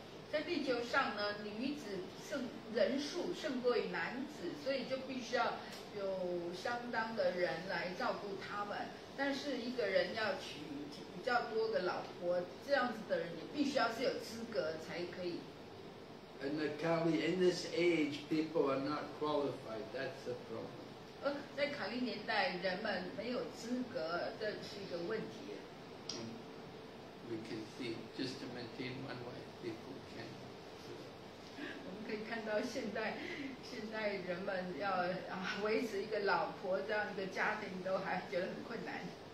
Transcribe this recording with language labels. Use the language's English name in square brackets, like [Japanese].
[Chinese] 在地球上呢，女子胜人数胜过于男子，所以就必须要有相当的人来照顾他们。但是一个人要娶比较多的老婆，这样子的人也必须要是有资格才可以。 [English] And the Kali, in this age, people are not qualified. That's the problem. [Chinese] 在卡利年代，人们没有资格，这是一个问题。 [English] We can see just to maintain one wife, people can. [Chinese] 我们可以看到现代人们要维持一个老婆这样的家庭都还觉得很困难。